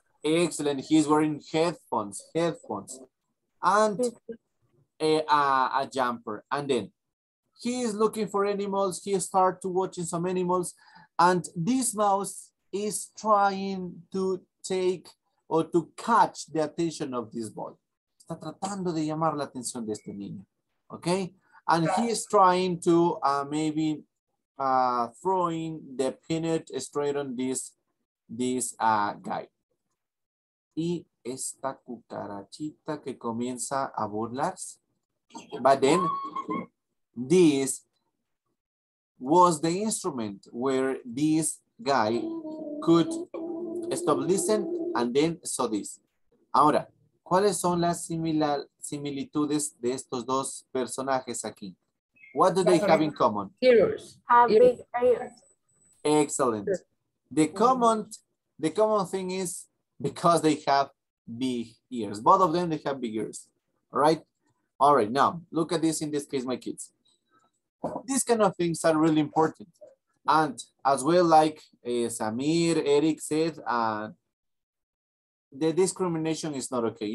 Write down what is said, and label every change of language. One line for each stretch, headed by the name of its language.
English: Excellent. He is wearing headphones. Headphones. And a jumper. And then he is looking for animals. He starts to watch some animals. And this mouse is trying to take or to catch the attention of this boy.
Spanish: Está tratando de llamar la atención de este niño.
English: Okay? And he is trying to maybe throwing the peanut straight on this guy.
Spanish: Y esta cucarachita que comienza a burlarse.
English: But then this was the instrument where this guy could stop listening and then saw this.
Spanish: Ahora, ¿cuáles son las similitudes de estos dos personajes aquí?
English: What do they have in common? Ears. Excellent. The common thing is because they have big ears. Both of them, they have big ears, right? All right, now, look at this in this case, my kids. These kind of things are really important. And as well, like Samir, Eric said, the discrimination is not okay.